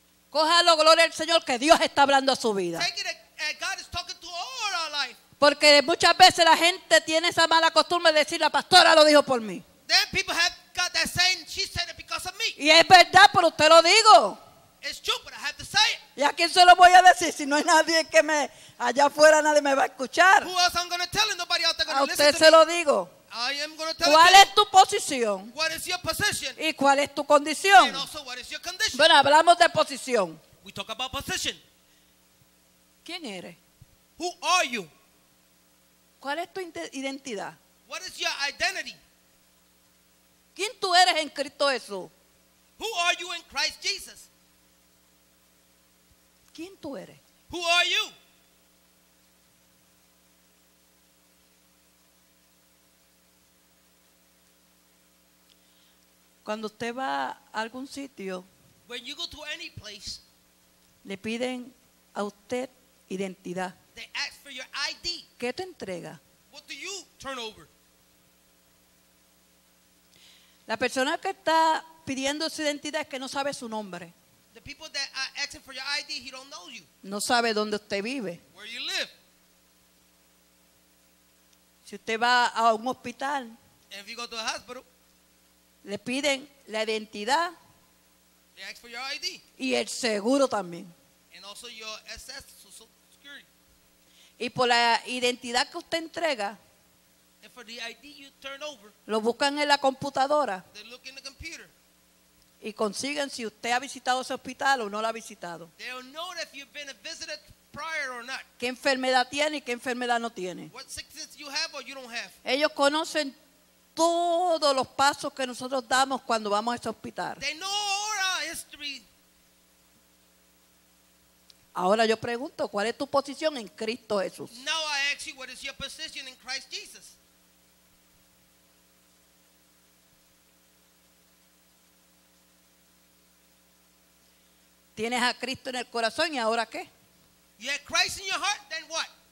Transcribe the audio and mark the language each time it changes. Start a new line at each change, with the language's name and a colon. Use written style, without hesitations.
Spanish: Cójalo, gloria al Señor, que Dios está hablando a su vida.
English: Take it as God is talking to all our life.
Spanish: Porque muchas veces la gente tiene esa mala costumbre de decir la pastora lo dijo por mí.
English: Then people have got that saying, she said it because of me.
Spanish: Y es verdad, pero usted lo digo.
English: It's true, but I have to say it.
Spanish: ¿Y a quién se lo voy a decir si no hay nadie que me allá afuera nadie me va a escuchar?
English: Who else I'm going to tell and nobody out there going to listen to me?
Spanish: A usted se lo digo.
English: I am going to tell.
Spanish: ¿Cuál es tu posición?
English: What is your position?
Spanish: ¿Y cuál es tu condición?
English: And also, what is your condition?
Spanish: Bueno, hablamos de posición.
English: We talk about position.
Spanish: ¿Quién eres?
English: Who are you?
Spanish: ¿Cuál es tu identidad?
English: What is your identity?
Spanish: ¿Quién tú eres en Cristo Jesús?
English: Who are you in Christ Jesus?
Spanish: ¿Quién tú eres?
English: Who are you?
Spanish: Cuando usted va a algún sitio,
English: when you go to any place,
Spanish: le piden a usted identidad.
English: They ask for your ID.
Spanish: ¿Qué te entrega?
English: What do you turn over?
Spanish: La persona que está pidiendo su identidad es que no sabe su nombre.
English: The people that are asking for your ID, he don't know you.
Spanish: No sabe dónde usted vive.
English: Where you live.
Spanish: Si usted va a un hospital,
English: and if you go to a hospital,
Spanish: le piden la identidad.
English: They ask for your ID.
Spanish: Y el seguro también.
English: And also your SS.
Spanish: y por la identidad que usted entrega,
English: and for the ID you turn over,
Spanish: lo buscan en la computadora,
English: they look in the computer,
Spanish: y consiguen si usted ha visitado ese hospital o no lo ha visitado.
English: They'll know if you've been visited prior or not.
Spanish: ¿Qué enfermedad tiene y qué enfermedad no tiene?
English: What sickness you have or you don't have.
Spanish: Ellos conocen todos los pasos que nosotros damos cuando vamos a ese hospital.
English: They know our history.
Spanish: Ahora yo pregunto, ¿cuál es tu posición en Cristo Jesús?
English: Now I ask you, what is your position in Christ Jesus?
Spanish: Tienes a Cristo en el corazón, ¿y ahora qué?
English: You have Christ in your heart, then what?